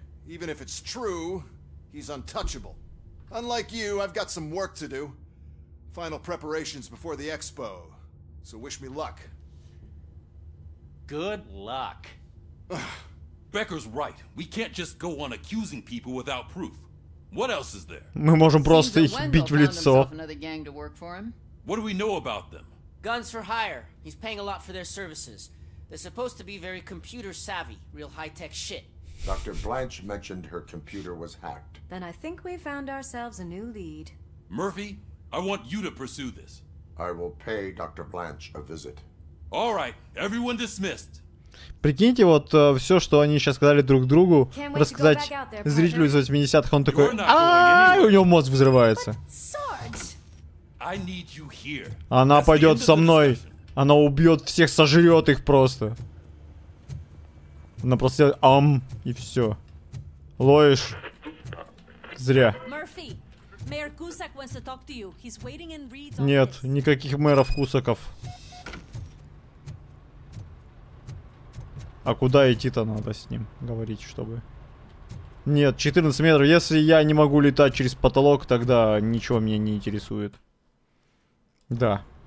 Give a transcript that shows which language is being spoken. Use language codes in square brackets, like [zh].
[en] Even if it's true, he's untouchable. Unlike you, I've got some work to do. Final preparations before the expo. So wish me luck. Good luck. Becker's right. We can't just go on accusing people without proof. What else is there? [ru] Мы можем просто их бить в лицо. [en] Another gang to work for him. What do we know about them? Guns for hire. He's paying a lot for their services. They're supposed to be very computer savvy, real high-tech shit. Dr. Blanche mentioned her computer was hacked. Then I think we found ourselves a new lead. Murphy, I want you to pursue this. I will pay Dr. Blanche a visit. All right, everyone dismissed. [ru] Прикиньте, вот все, что они сейчас сказали друг другу, рассказать зрителю из 80-х, он такой, ааа, у него мозг взрывается. [en] I need you here. [ru] Она [en] That's [ru] пойдет со мной. Она убьет всех, сожрет их просто. Она просто делает ам, и все. Лоиш. Зря. [en] Murphy, Mayor Cusack wants to talk to you. He's waiting in Reed's. [ru] Нет, никаких мэров Кусаков. А куда идти-то надо с ним говорить, чтобы... Нет, 14 метров. Если я не могу летать через потолок, тогда ничего меня не интересует. Да.